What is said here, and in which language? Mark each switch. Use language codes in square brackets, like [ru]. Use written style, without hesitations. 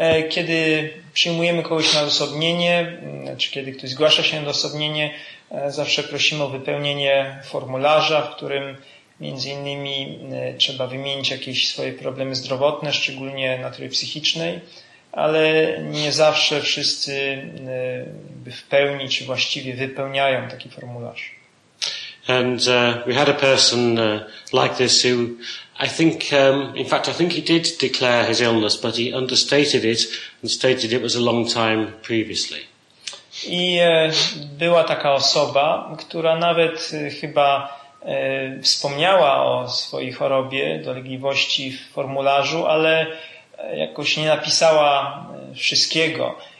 [pl] Kiedy przyjmujemy kogoś na odosobnienie, czy kiedy ktoś zgłasza się na odosobnienie, zawsze prosimy o wypełnienie formularza, w którym między innymi trzeba wymienić jakieś swoje problemy zdrowotne, szczególnie natury psychicznej, ale nie zawsze wszyscy w pełni czy właściwie wypełniają taki formularz. [en] And we had a person like this who I think he did declare his illness, but he understated it and stated it was a long time previously. [pl] I była taka osoba, która nawet chyba wspomniała o swojej chorobie, dolegliwości w formularzu, ale jakoś nie napisała wszystkiego.